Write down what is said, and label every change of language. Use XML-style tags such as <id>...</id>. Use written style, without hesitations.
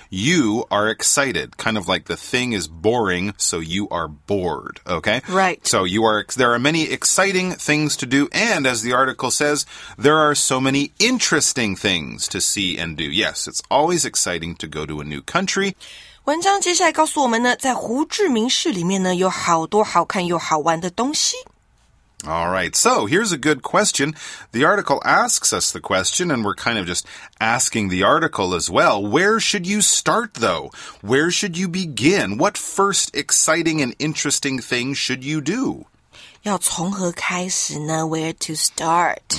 <en>You are excited. Kind of like the thing is boring, so you are bored. Okay? Right. So there are many exciting things to do. And as the article says, there are so many interesting things to see and do. Yes, it's always exciting to go to a new country.</en> <zh>文章接下来告诉我们呢，在胡志明市里面呢，有好多好看又好玩的东西。</zh> <en>All right, so here's a good question. The article asks us the question, and we're kind of just asking the article as well. Where should you start, though? Where should you begin? What first exciting and interesting thing should you do?</en> <zh>要从何开始呢?</zh> <en>Where to start?</en>